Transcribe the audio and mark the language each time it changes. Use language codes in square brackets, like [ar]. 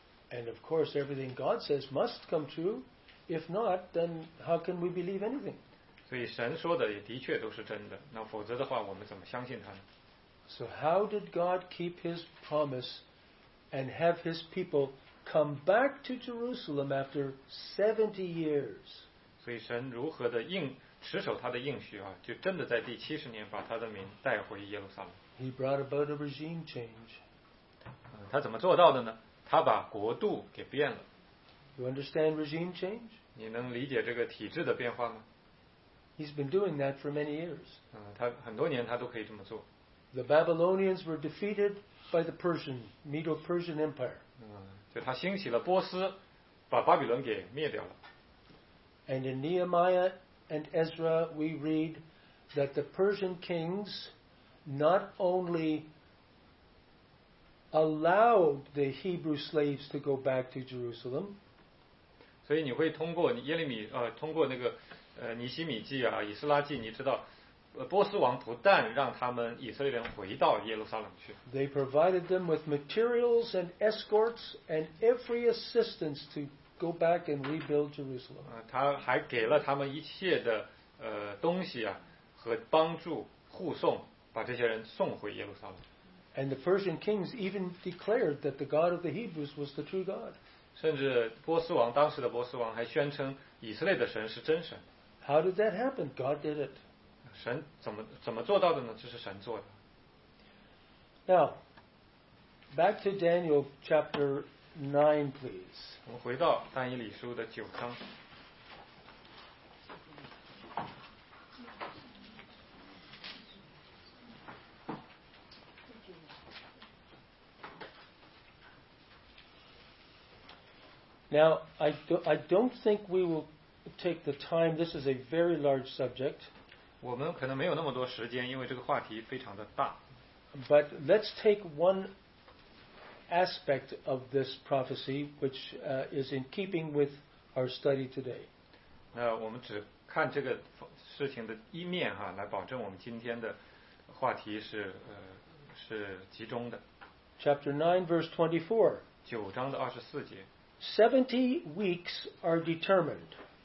[en] And of course, everything God says must come true. If not, then how can we believe anything? [zh] 所以神说的也的确都是真的。那否则的话，我们怎么相信他呢？ [en] So how did God keep His promise and have His people come back to Jerusalem after 70 years? [zh] 所以神如何的应？持守他的应许啊，就真的在第七十年把他的民带回耶路撒冷。 [en] He brought about a regime change. [zh] 他怎么做到的呢？他把国度给变了。 [en] You understand regime change? [zh] 你能理解这个体制的变化吗 [en] ？He's been doing that for many years. [zh] 他很多年他都可以这么做。 [en] The Babylonians were defeated by the Persian Medo-Persian Empire. [zh] 就他兴起了波斯，把巴比伦给灭掉了。 [en] And in Nehemiah and Ezra, we read that the Persian kings not only allowed the Hebrew slaves to go back to Jerusalem. [zh] 所以你会通过耶利米通过那个尼希米记啊以斯拉记，你知道波斯王不但让他们以色列人回到耶路撒冷去。 [en] They provided them with materials and escorts and every assistance to go back and rebuild Jerusalem. [zh] 他还给了他们一切的东西啊，和帮助护送，把这些人送回耶路撒冷。 [en] And the Persian kings even declared that the God of the Hebrews was the true God. [zh] 甚至波斯王当时的波斯王还宣称以色列的神是真神。 [en] How did that happen? God did it. [zh] 神怎么做到的呢？这是神做的。 [en] Now, back to Daniel chapter 9, please. [zh] 我们回到但以理书的九章。 [en] Now, I don't think we will take the time. This is a very large subject. [zh] 我们可能没有那么多时间，因为这个话题非常的大。 [en] But let's take one aspect of this prophecy, which is in keeping with our study today. [zh] 那我们只看这个事情的一面哈，来保证我们今天的话题是集中的。 [en] Chapter 9, verse 24. [zh] 九章的二十四节。 [en] 70 weeks are determined.